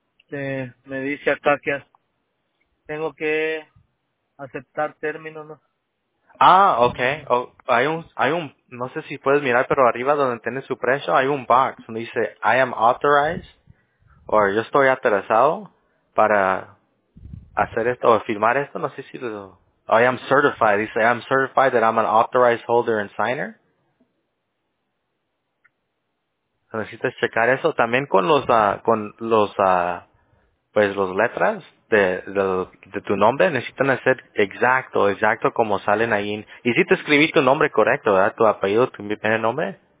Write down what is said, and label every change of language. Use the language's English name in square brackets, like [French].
[Spanish] Me dice acá que tengo que aceptar términos, ¿no? [English] Ah, okay. [Spanish] Oh, hay un, no sé si puedes mirar, pero arriba donde tiene su precio hay un box donde dice [English] I am authorized [Spanish] o yo estoy autorizado para hacer esto o firmar esto. No sé si lo. [English] I am certified. Dice I am certified that I'm an authorized holder and signer. [Spanish] Necesitas checar eso también con las letras de tu nombre necesitan ser exacto como salen ahí. Y si te escribí tu nombre correcto, ¿verdad? Tu apellido, tu primer nombre.